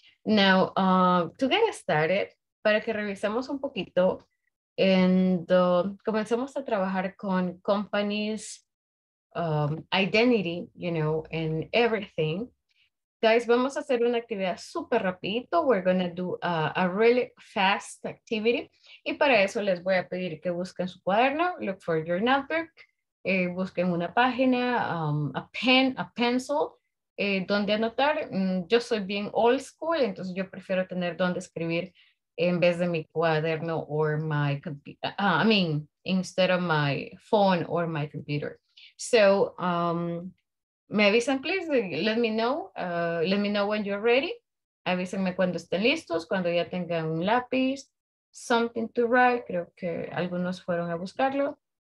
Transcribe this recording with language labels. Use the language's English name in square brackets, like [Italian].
[English] Now, to get started, [Spanish] para que revisemos un poquito, [English] and [Spanish] comencemos a trabajar con [English] companies, identity, you know, and everything. [Spanish] Guys, vamos a hacer una actividad super rapidito. [English] We're going to do a really fast activity. [Spanish] Y para eso les voy a pedir que busquen su cuaderno. [English] Look for your notebook. [Spanish] Busquen una página, [English] a pen, a pencil. [Spanish] Donde anotar. Yo soy bien old school, entonces yo prefiero tener donde escribir en vez de mi cuaderno [English] or my computer. I mean, instead of my phone or my computer. So, [Spanish] me avisan, [English] please, let me know when you're ready. [Spanish] Avísenme cuando estén listos, cuando ya tengan un lápiz, [English] something to write, [Spanish] creo que algunos fueron a buscarlo.